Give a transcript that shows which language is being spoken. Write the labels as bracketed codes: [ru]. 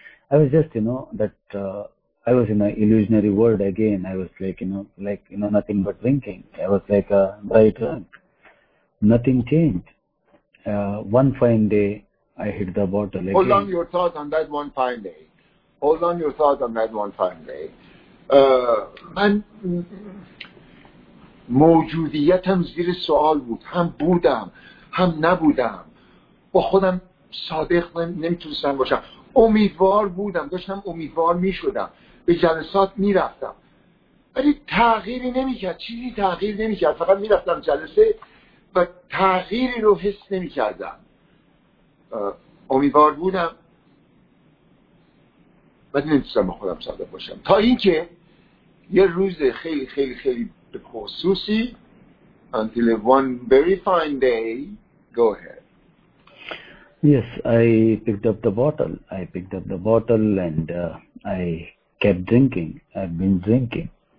[en] I was just, you know, that I was in an illusionary world again. I was like, you know, nothing but drinking. I was like a dry drunk. Nothing changed. One fine day, I hit the bottle again. Hold on your thought on that one fine day. Hold on your thought on that one fine day. [fa] من موجودیتم زیر سوال بود، هم بودم هم نبودم، با خودم صادق نمیتونستم باشم، امیدوار بودم، داشتم امیدوار میشدم، به جلسات میرفتم ولی تغییری نمیکرد، چیزی تغییر نمیکرد، فقط میرفتم جلسه و تغییری رو حس نمیکردم. امیدوار بودم ولی نمیتونستم با خودم صادق باشم، تا اینکه یه روز خیلی خیلی خیلی خصوصی، [en] until one very fine day. Go ahead. Yes, I picked up the bottle. I picked up the bottle and I kept drinking. I've been drinking.